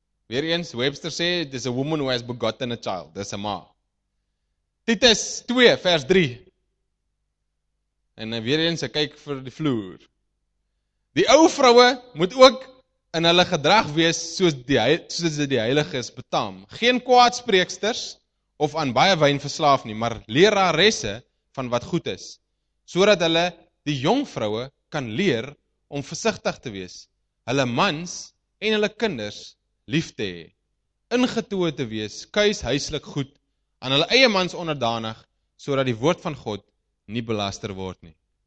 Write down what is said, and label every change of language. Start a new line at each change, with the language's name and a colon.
Afrikaans: Weereens, Webster sê,
English: it is a woman who has begotten a child.
Afrikaans: Dis 'n ma. Titus 2 vers 3. En dan weereens, ek kyk vir die vloer. Die ou vroue moet ook in hulle gedrag wees soos die heiliges betaam. Geen kwaadspreeksters of aan baie wyn verslaaf nie, maar leraresse van wat goed is. Sodat hulle die jong vroue kan leer om versigtig te wees, hulle mans en hulle kinders lief te hê, ingetoe te wees, kuis huislik goed, aan hulle eie mans onderdanig, sodat die woord van God nie belaster word nie.